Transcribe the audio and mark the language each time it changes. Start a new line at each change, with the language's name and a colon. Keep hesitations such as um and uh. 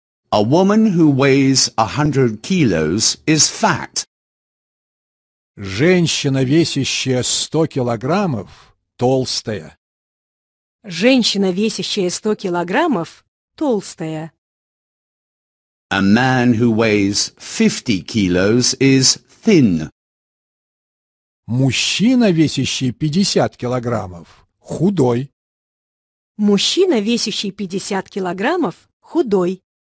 English: A woman who weighs a hundred kilos is fat.
Russian: Женщина, весящая сто килограммов, толстая. Женщина, весящая сто килограммов, толстая.
English: A man who weighs fifty kilos is thin.
Russian: Мужчина, весящий 50 килограммов, худой. Мужчина, весящий 50 килограммов, худой.